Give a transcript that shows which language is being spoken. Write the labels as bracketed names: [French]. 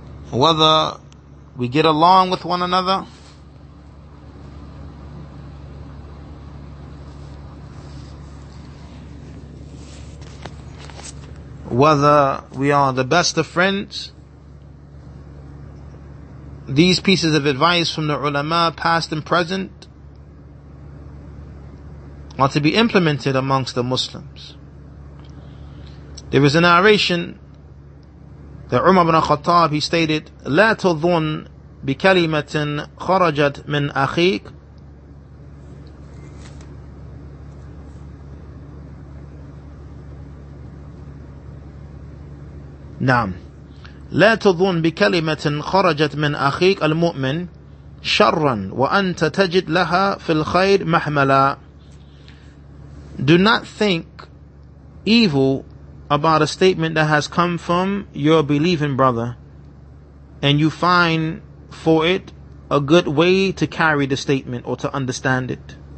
[English] Whether we get along with one another, whether we are the best of friends, these pieces of advice from the ulama, past and present, are to be implemented amongst the Muslims. There is a narration that Umar ibn Khattab, he stated, [Arabic] لا تظن بكلمة خرجت من أخيك نعم لا تظن بكلمة خرجت من أخيك المؤمن شرا وأنت تجد لها في الخير محملا. [English] Do not think evil about a statement that has come from your believing brother, and you find for it a good way to carry the statement or to understand it.